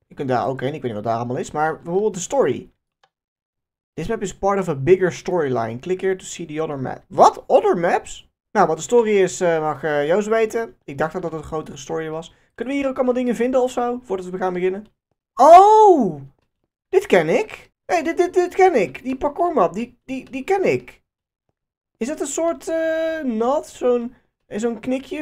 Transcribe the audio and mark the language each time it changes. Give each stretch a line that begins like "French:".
Dutch: Je kunt daar ook heen, ik weet niet wat daar allemaal is. Maar bijvoorbeeld de story.
English: This map is part of a bigger storyline. Click here to see the other map.
Dutch: Wat?
English: Other maps?
Dutch: Nou, wat de story is, mag Joost weten. Ik dacht dat het een grotere story was. Kunnen we hier ook allemaal dingen vinden ofzo? Voordat we gaan beginnen. Oh! Dit ken ik. Hé, hey, dit ken ik. Die parcoursmap, die ken ik. Is dat een soort nat? Zo'n knikje?